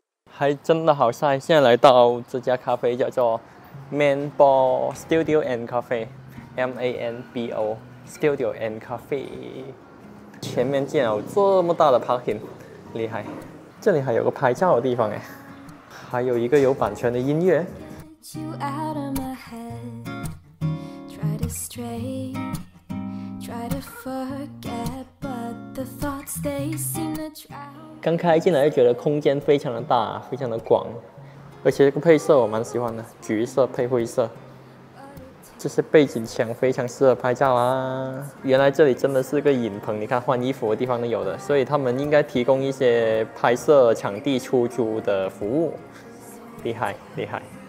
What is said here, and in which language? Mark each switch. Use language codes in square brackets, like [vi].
[zh] 还真的好晒，现在来到这家咖啡叫做 Mambo Studio and Coffee， M-A-N-B-O Studio and Coffee。前面竟然有这么大的 parking， 厉害。这里还有个拍照的地方，还有一个有版权的音乐。 [en] You out of my head, try to stray, try to forget, but the thoughts they seem to try. [zh] 刚开进来就觉得空间非常的大，非常的广，而且这个配色我蛮喜欢的，橘色配灰色，这些背景墙非常适合拍照啊。原来这里真的是个影棚，你看换衣服的地方都有的，所以他们应该提供一些拍摄场地出租的服务，厉害厉害。